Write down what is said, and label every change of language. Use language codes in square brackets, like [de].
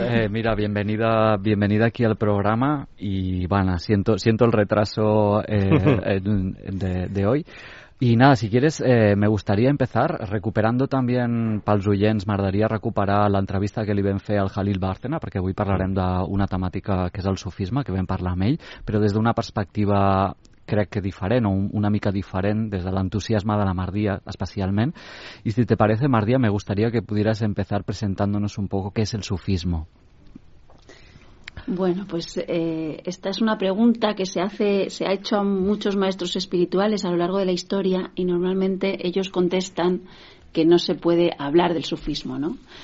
[es] Mira, bienvenida aquí al programa. Y bueno, siento el retraso de hoy. Y nada, si quieres, me gustaría empezar recuperando también [ca] pels oients, m'agradaria recuperar l'entrevista que li vam fer al Jalil Bárcena, perquè avui parlarem d'una temàtica que és el sufisme, que vam parlar amb ell, però des d'una perspectiva, crec que diferent, o una mica diferent, des de l'entusiasme de la Mardia, especialment. [es] I si te parece, Mardia, me gustaría que pudieras empezar presentándonos un poco qué es el sufismo. Bueno, pues esta es una pregunta que se ha hecho a muchos maestros espirituales a lo largo de la historia, y normalmente ellos contestan que no se puede hablar del sufismo, ¿no?